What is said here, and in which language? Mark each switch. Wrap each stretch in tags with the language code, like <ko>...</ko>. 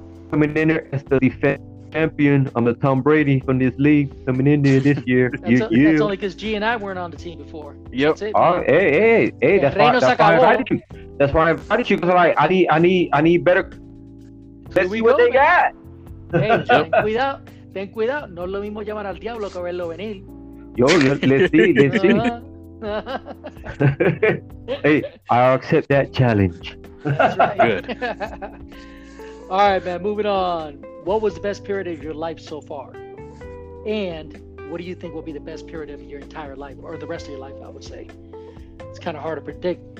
<en>Coming in there as the defense. Champion, I'm the Tom Brady from this league coming in there this year. That's only because G and I weren't on the team before. Yep. That's why I invited you. Because like, I need better.</en> <es>Ten cuidado. No lo mismo llamar al diablo que verlo venir.</es> <en>Let's see. Hey, I'll accept that challenge. Good. All right, man. Moving on. What was the best period of your life so far? And what do you think will be the best period of your entire life or the rest of your life, I would say? It's kind of hard to predict.</en>